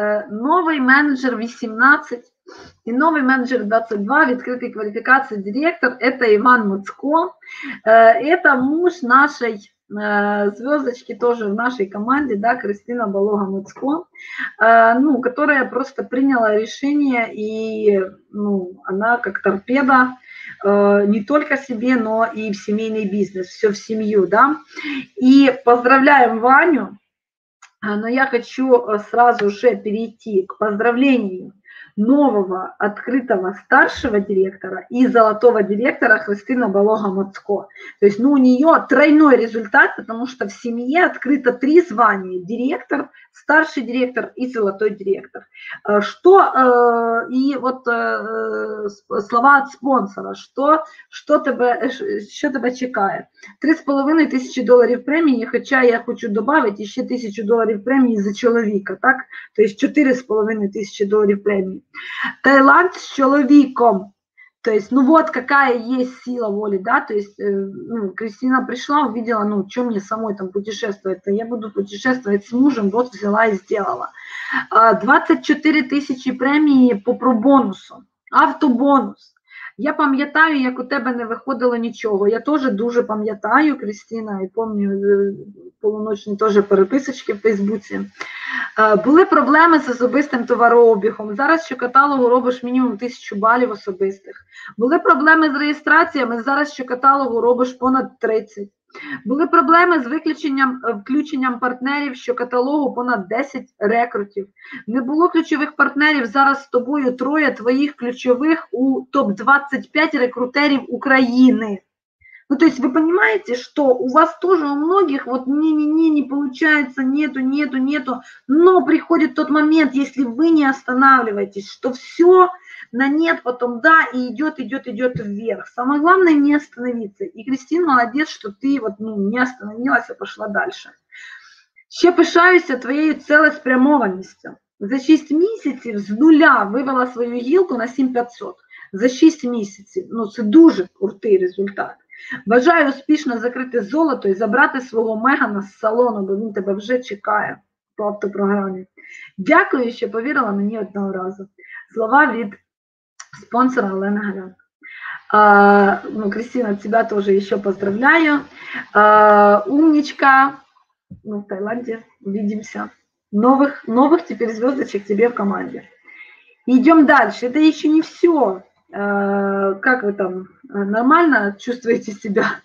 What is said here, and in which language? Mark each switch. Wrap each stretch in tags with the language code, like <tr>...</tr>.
<uk>Новий менеджер 18 і новий менеджер 22, відкритий кваліфікації директор. Це Іван Муцко. Це муж нашої зв'язочки, теж в нашій команді, да, Кристина Болога Муцко, ну,</uk> <ru>которая просто</ru> <uk>прийняла рішення і, ну, вона як торпеда.</uk> <ru>Не только себе, но и в семейный бизнес, все в семью, да. И поздравляем Ваню, но я хочу сразу же перейти к поздравлению нового открытого старшего директора и золотого директора Христина Болога Моцко. То есть, ну, у нее тройной результат, потому что в семье открыто три звания: директор, старший директор и золотой директор. Что и вот слова от спонсора, что тебя чекает? 3,5 тысячи долларов премии, хотя я хочу добавить еще 1000 долларов премии за человека, так? То есть 4,5 тысячи долларов премии. Таиланд с человеком. То есть, ну вот какая есть сила воли, да, то есть, ну, Кристина пришла, увидела, ну, что мне самой там путешествовать, то я буду путешествовать с мужем, вот взяла и сделала. 24 тысячи премии по пробонусу, автобонус.</ru> <uk>Я пам'ятаю, як у тебе не виходило нічого. Я теж дуже пам'ятаю, Кристина, і пам'ятаю полуночні теж переписочки в Фейсбуці. Були проблеми з особистим товарообігом. Зараз що каталогу робиш мінімум 1000 балів особистих. Були проблеми з реєстраціями. Зараз що каталогу робиш понад 30. Були проблеми з включенням партнерів, що каталогу понад 10 рекрутів. Не було ключових партнерів, зараз з тобою троє твоїх ключових у топ-25 рекрутерів України.</uk> <ru>Ну, то есть вы понимаете, что у вас тоже у многих вот не-не-не, не получается, нету, нету, нету. Но приходит тот момент, если вы не останавливаетесь, что все на нет, потом да, и идет, идет, идет вверх. Самое главное не остановиться. И Кристина молодец, что ты вот, ну, не остановилась, а пошла дальше.</ru> <uk>Ще пишаюся</uk> <ru>твоей целеспрямованностью. За 6 месяцев с нуля вывела свою гилку на 7500. За 6 месяцев. Ну, это</ru> <uk>дуже</uk> <ru>крутой результат.</ru> <uk>Бажаю успішно закрити золото і забрати свого Мегана з салону, бо він тебе вже чекає по автопрограмі. Дякую, що повірила мені одного разу. Слова від спонсора Олена Галянка.</uk> <ru>Ну, Кристина, тебя тоже еще поздравляю. Умничка. Ну, в Таиланде увидимся. Новых теперь звездочек тебе в команде. Идем дальше. Это еще не все. Как вы там, нормально чувствуете себя?</ru>